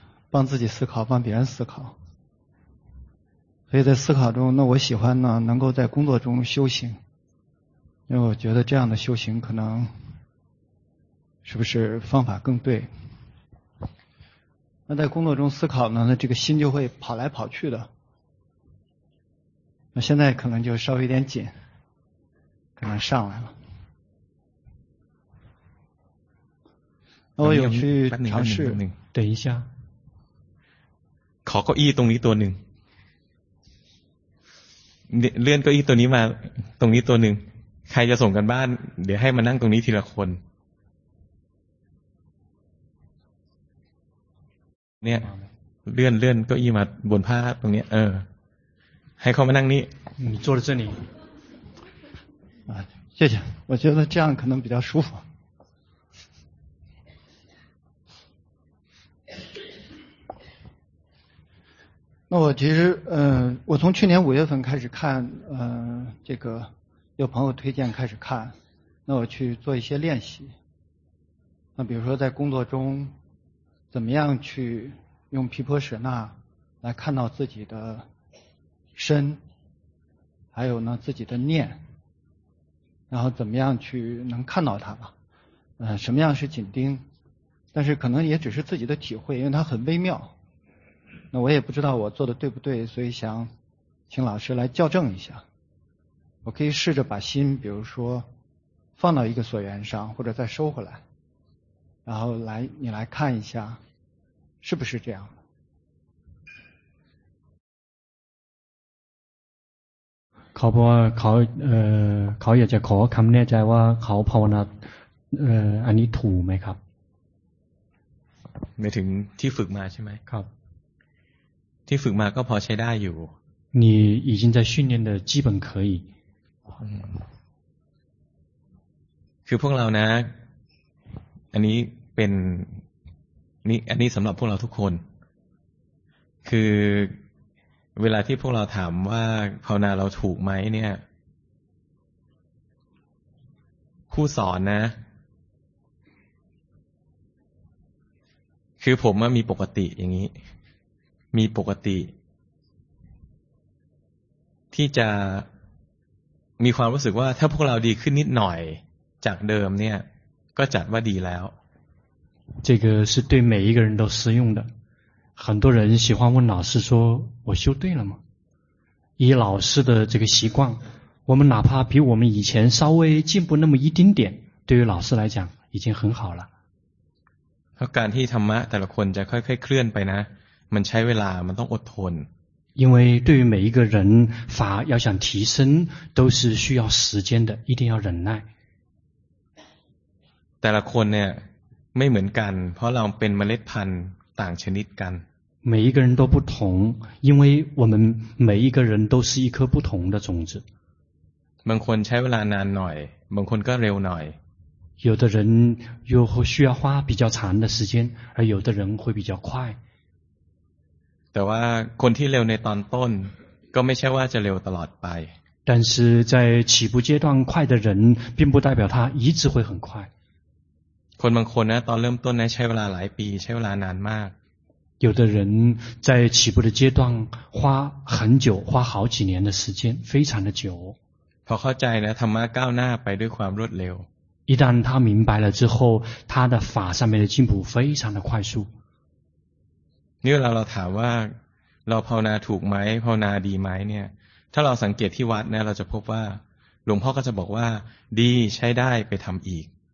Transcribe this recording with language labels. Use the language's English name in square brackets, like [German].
[Chinese] 帮自己思考帮别人思考所以在思考中那我喜欢呢能够在工作中修行因为我觉得这样的修行可能是不是方法更对那在工作中思考呢那这个心就会跑来跑去的那现在可能就稍微有点紧可能上来了那我有去尝试等一下 [Thai] ขอเก้าอี้ตรงนี้ตัวหนึ่งเลื่อนเก้าอี้ตัวนี้มาตรงนี้ตัวหนึ่งใครจะส่งกันบ้านเดี๋ยวให้มานั่งตรงนี้ทีละคนเนี่ยเลื่อนเก้าอี้มาบนผ้าตรงนี้ให้เขามานั่งนี่ [Chinese] 你坐在这里啊谢谢我觉得这样可能比较舒服那我其实我从去年五月份开始看这个有朋友推荐开始看那我去做一些练习那比如说在工作中怎么样去用毗婆舍那来看到自己的身还有呢自己的念然后怎么样去能看到它吧什么样是紧盯但是可能也只是自己的体会因为它很微妙那我也不知道我做的对不对所以想请老师来校正一下我可以试着把心比如说放到一个所缘上或者再收回来然后来你来看一下是不是这样 [Thai] เขาบอกว่าเขาอยากจะขอคำแน่ใจว่าเขาภาวนาอันนี้ถูกไหมครับ ไม่ถึงที่ฝึกมาใช่ไหม ครับ ที่ฝึกมาก็พอใช้ได้อยู่ [Chinese] 你已经在训练的基本可以 [Thai] อพวกเรานะอันนี้เป็นนี่อันนี้สำหรับพวกเราทุกคนคือเวลาที่พวกเราถามว่าภาวนาเราถูกไหมเนี่ยครูสอนนะ คือผมมีปกติอย่างนี้มีปกติที่จะมีความรู้สึกว่าถ้าพวกเราดีขึ้นนิดหน่อยจากเดิมเนี่ยก็จัดว่าดีแล้ว [Chinese] 这个是对每一个人都适用的很多人喜欢问老师说我修对了吗以老师的这个习惯我们哪怕比我们以前稍微进步那么一丁点对于老师来讲已经很好了 [Thai] การที่ธรรมะแต่ละคนจะค่อยๆเคลื่อนไปนะมันใช้เวลามันต้องอดทน [Chinese] 因为对于每一个人法要想提升都是需要时间的一定要忍耐 [Thai] แต่ละคนเนี่ยไม่เหมือนกันเพราะเราเป็นเมล็ดพันธุ์ต่างชนิดกัน [Chinese] 每一个人都不同因为我们每一个人都是一颗不同的种子 [Thai] บางคนใช้เวลานานหน่อยบางคนก็เร็วหน่อย [Chinese] 有的人又需要花比较长的时间而有的人会比较快 [Thai] แต่ว่าคนที่เร็วในตอนต้นก็ไม่ใช่ว่าจะเร็วตลอดไป [Chinese] 但是在起步阶段快的人并不代表他一直会很快 [Thai] คนบางคนนะตอนเริ่มต้นนะใช้เวลาหลายปีใช้เวลานานมาก [Chinese] 有的人在起步的阶段花很久花好几年的时间非常的久 [Thai] พอเข้าใจนะธรรมะก้าวหน้าไปด้วยความรวดเร็ว [Chinese] 一旦他明白了之后他的法上面的进步非常的快速 [Thai] นี่เวลาเราถามว่าเราภาวนาถูกไหมภาวนาดีไหมเนี่ยถ้าเราสังเกตที่วัดนะเราจะพบว่าหลวงพ่อก็จะบอกว่าดีใช้ได้ไปทำอีก